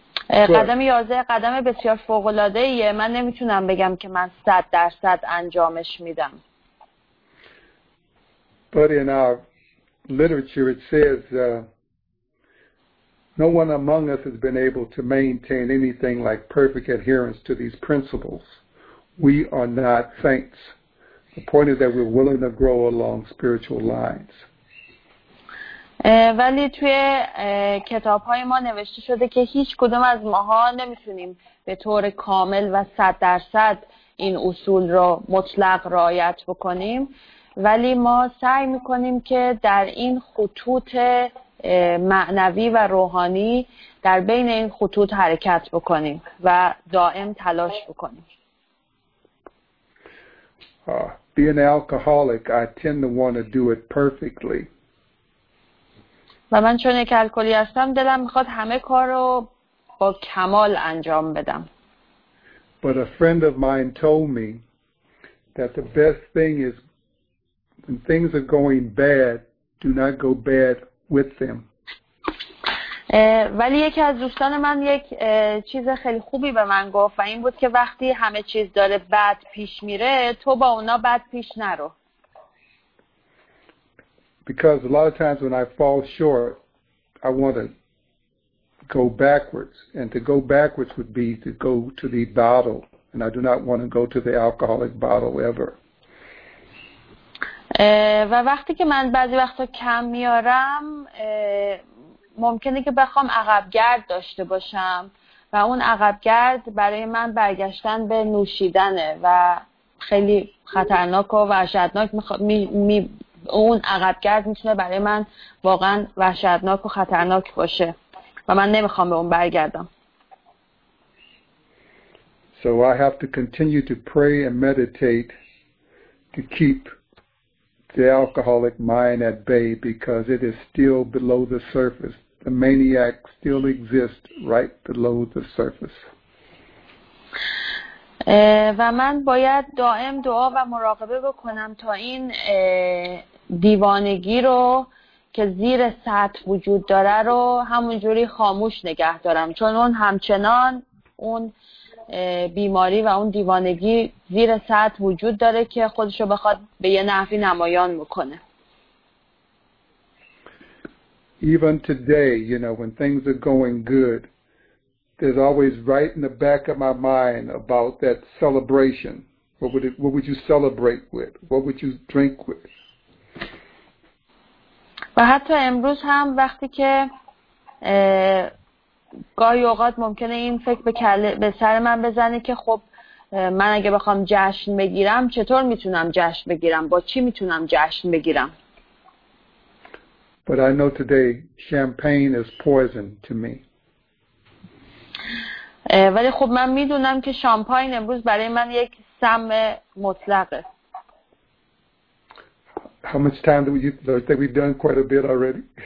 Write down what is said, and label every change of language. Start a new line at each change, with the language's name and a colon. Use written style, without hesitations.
Persian: قدم 11 قدم بسیار فوق‌العاده‌ایه. من نمیتونم بگم که من 100% انجامش میدم.
English: But in our literature it says no one among us has been able to maintain anything like perfect adherence to these principles. We are not saints. The point is that we're willing to grow along spiritual lines.
Persian: ولی توی کتاب‌های ما نوشته شده که هیچ کدوم از ماها نمی‌تونیم به طور کامل و 100% این اصول رو مطلق رعایت بکنیم، ولی ما سعی می‌کنیم که در این خطوط معنوی و روحانی در بین این خطوط حرکت بکنیم و دائم تلاش بکنیم.
English: Being an alcoholic, I tend to want to do it perfectly.
Persian: و من چون یک الکلی هستم دلم میخواد همه کارو با کمال انجام بدم.
English: But a friend of mine told me that the best thing is when things are going bad, do not go bad with them.
Persian: ولی یکی از دوستان من یک چیز خیلی خوبی به من گفت و این بود که وقتی همه چیز داره بد پیش میره تو با اونا بد پیش نرو.
English: Because a lot of times when I fall short I want to go backwards and to go backwards would be to go to the bottle and I do not want to go to the alcoholic bottle ever.
Persian: و وقتی که من بعضی وقتا کم میارم ممکنه که بخوام عقب گرد داشته باشم و اون عقبگرد برای من برگشتن به نوشیدنه و خیلی خطرناک و وحشتناک اون عقبگرد میتونه برای من واقعا وحشتناک و خطرناک باشه و من نمیخوام به اون برگردم.
English: So I have to continue to pray and meditate to keep the alcoholic mind at bay because it is still below the surface. The maniac still exists right below the surface.
Persian: و من باید دائم دعا و مراقبه بکنم تا این دیوانگی رو که زیر سطح وجود داره رو همونجوری خاموش نگه دارم، چون اون همچنان اون بیماری و اون دیوانگی زیر سطح وجود داره که خودشو بخواد به یه نحوی نمایان میکنه.
English: Even today, you know, when things are going good, there's always right in the back of my mind about that celebration. What would you celebrate with? What would you drink with?
Persian: و حتی امروز هم وقتی که گاهی اوقات ممکنه این فکر به سر من بزنه که خب من اگه بخوام جشن بگیرم چطور میتونم جشن بگیرم، با چی میتونم جشن بگیرم؟
English: But I know today champagne is poison to me.
Persian: ولی خب من میدونم که شامپاین امروز برای من یک سم مطلقه.
English: How much time do you think we've done quite a bit already?